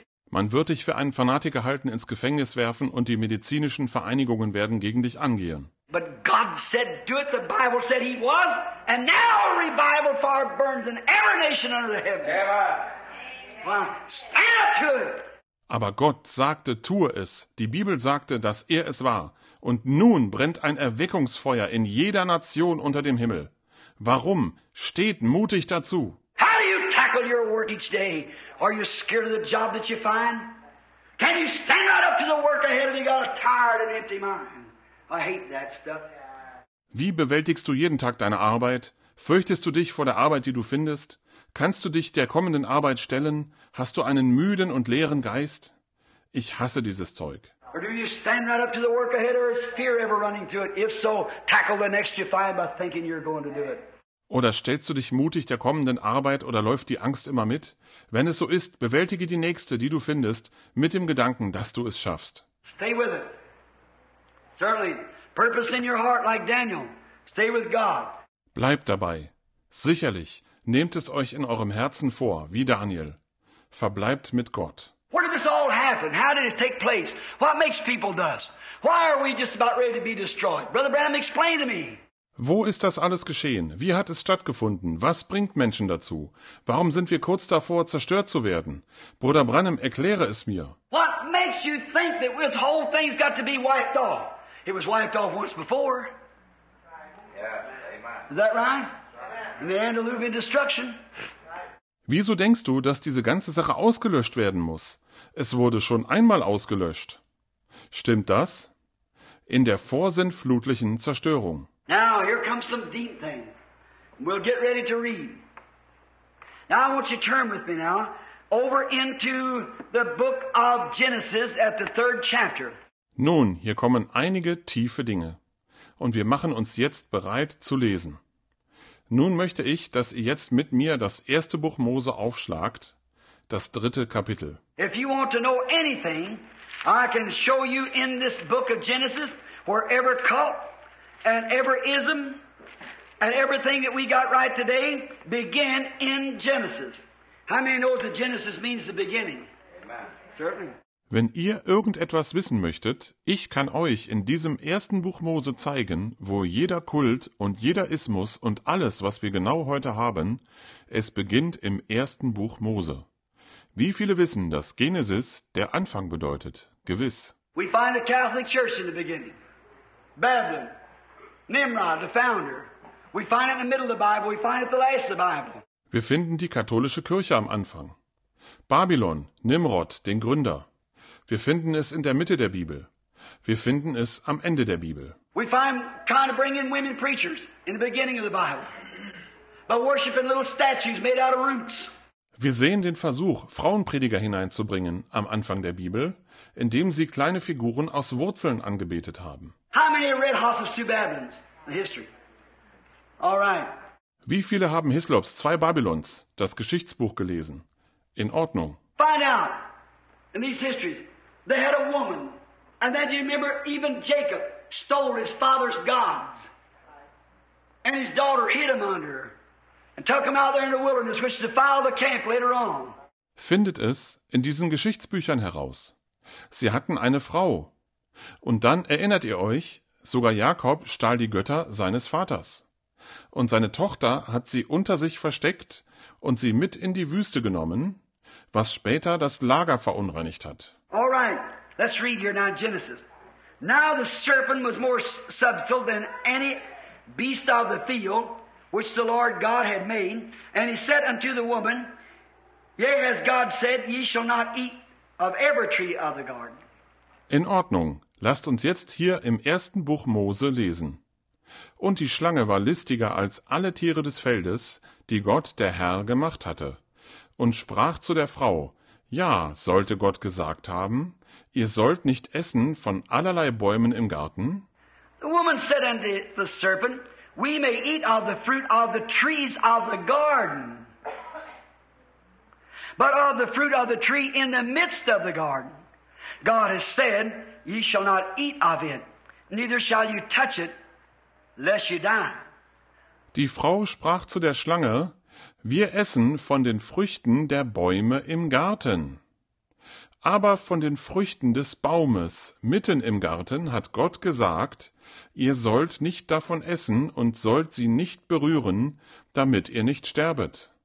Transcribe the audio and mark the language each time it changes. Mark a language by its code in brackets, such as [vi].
[de] Man wird dich für einen Fanatiker halten, ins Gefängnis werfen und die medizinischen Vereinigungen werden gegen dich angehen. [en] But God said, do it. The Bible said he was. And now a revival fire burns in every nation under the heaven. Amen. Well, stand up to it. [de] Aber Gott sagte, tue es. Die Bibel sagte, dass er es war. Und nun brennt ein Erweckungsfeuer in jeder Nation unter dem Himmel. Warum? Steht mutig dazu. [en] How do you tackle your work each day? Are you scared of the job that you find? Can you stand right up to the work ahead if you got a tired and empty mind? I hate that stuff. [de] Wie bewältigst du jeden Tag deine Arbeit? Fürchtest du dich vor der Arbeit, die du findest? Kannst du dich der kommenden Arbeit stellen? Hast du einen müden und leeren Geist? Ich hasse dieses Zeug. [en] Or do you stand right up to the work ahead, or is fear ever running to it? If so, tackle the next you find by thinking you're going to do it. [de] Oder stellst du dich mutig der kommenden Arbeit oder läuft die Angst immer mit? Wenn es so ist, bewältige die nächste, die du findest, mit dem Gedanken, dass du es schaffst. [en] Stay with it. Certainly, purpose in your heart like Daniel. Stay with God. [de] Bleibt dabei. Sicherlich, nehmt es euch in eurem Herzen vor, wie Daniel. Verbleibt mit Gott. [en] Where did this all happen? How did it take place? What makes people thus? Why are we just about ready to be destroyed? Brother Branham, explain to me. [de] Wo ist das alles geschehen? Wie hat es stattgefunden? Was bringt Menschen dazu? Warum sind wir kurz davor, zerstört zu werden? Bruder Branham, erkläre es mir. [en] What makes you think that this whole thing's got to be wiped off? It was wiped off once before. Yeah. Is that right? Yeah. And the Antediluvian destruction. [de] Wieso denkst du, dass diese ganze Sache ausgelöscht werden muss? Es wurde schon einmal ausgelöscht. Stimmt das? In der vorsintflutlichen Zerstörung. [en] Now, here comes some deep thing. We'll get ready to read. Now, I want you to turn with me now over into the book of Genesis at the third chapter. [de] Nun, hier kommen einige tiefe Dinge. Und wir machen uns jetzt bereit zu lesen. Nun möchte ich, dass ihr jetzt mit mir das erste Buch Mose aufschlagt, das dritte Kapitel. [en] If you want to know anything, I can show you in this book of Genesis where every cult and every ism and everything that we got right today began in Genesis. How many know that Genesis means the beginning? Amen. Certainly. [de] Wenn ihr irgendetwas wissen möchtet, ich kann euch in diesem ersten Buch Mose zeigen, wo jeder Kult und jeder Ismus und alles, was wir genau heute haben, es beginnt im ersten Buch Mose. Wie viele wissen, dass Genesis der Anfang bedeutet? Gewiss. [en] We find the Catholic Church in the beginning. Babylon. Nimrod, the founder. We find it in the middle of the Bible. We find it at the last of the Bible. [de] Wir finden die katholische Kirche am Anfang. Babylon, Nimrod, den Gründer. Wir finden es in der Mitte der Bibel. Wir finden es am Ende der Bibel. [en] We find trying to bring in women preachers in the beginning of the Bible by worshiping little statues made out of roots. [de] Wir sehen den Versuch, Frauenprediger hineinzubringen am Anfang der Bibel, indem sie kleine Figuren aus Wurzeln angebetet haben. [en] How many have read Hyslop's Two Babylons in history? All right. [de] Wie viele haben Hyslop's Zwei Babylons, das Geschichtsbuch, gelesen? In Ordnung. [en] Find out. In these histories, they had a woman. And then you remember, even Jacob stole his father's gods. And his daughter hid them under her. and took them out there in the wilderness, which defiled the camp later on. [de] Findet es in diesen Geschichtsbüchern heraus. Sie hatten eine Frau. Und dann erinnert ihr euch, sogar Jakob stahl die Götter seines Vaters. Und seine Tochter hat sie unter sich versteckt und sie mit in die Wüste genommen, was später das Lager verunreinigt hat. [en] All right, let's read here now Genesis. Now the serpent was more subtle than any beast of the field, which the Lord God had made. And he said unto the woman, yea, as God said, ye shall not eat of every tree of the garden. [de] In Ordnung, lasst uns jetzt hier im ersten Buch Mose lesen. Und die Schlange war listiger als alle Tiere des Feldes, die Gott der Herr gemacht hatte, und sprach zu der Frau, ja, sollte Gott gesagt haben, ihr sollt nicht essen von allerlei Bäumen im Garten? [en] The woman said unto the serpent, we may eat of the fruit of the trees of the garden, but of the fruit of the tree in the midst of the garden. God has said, ye shall not eat of it, neither shall you touch it, lest you die. [de] Die Frau sprach zu der Schlange, wir essen von den Früchten der Bäume im Garten. Aber von den Früchten des Baumes mitten im Garten hat Gott gesagt, ihr sollt nicht davon essen und sollt sie nicht berühren, damit ihr nicht sterbet.